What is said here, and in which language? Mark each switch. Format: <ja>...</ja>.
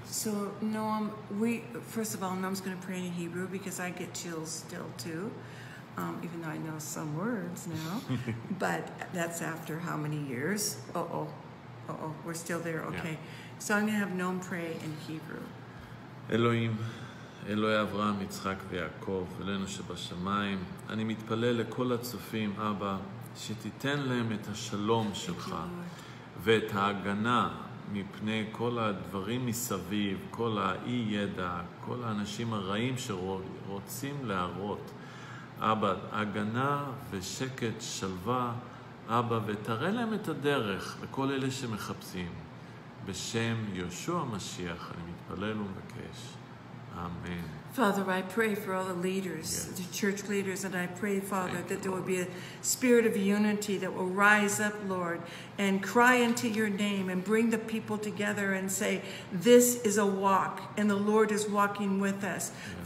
<en>So, Noam, Noam's going to pray in Hebrew because I get chills still too, even though I know some words now. But that's after how many years? Uh-oh, we're still there, okay. Yeah. So I'm going to have Noam pray in Hebrew.</en> <he>אלוהים, אלוהי אברהם, יצחק ויעקב, אלינו שבשמיים, אני מתפלל לכל הצופים, אבא, שתיתן להם את השלום שלך ואת ההגנה מפני כל הדברים מסביב, כל האי ידע, כל האנשים הרעים שרוצים להראות. אבא, הגנה ושקט, שלווה, אבא, ותראה להם את הדרך לכל אלה שמחפשים. בשם יהושע המשיח, אני מתפלל ומבקש. אמן.</he> <en>Father, I pray for all the leaders, yes. The church leaders, and I pray, Father, that there will be a spirit of unity that will rise up, Lord, and cry unto your name and bring the people together and say, this is a walk, and the Lord is walking with us. Yes.</en>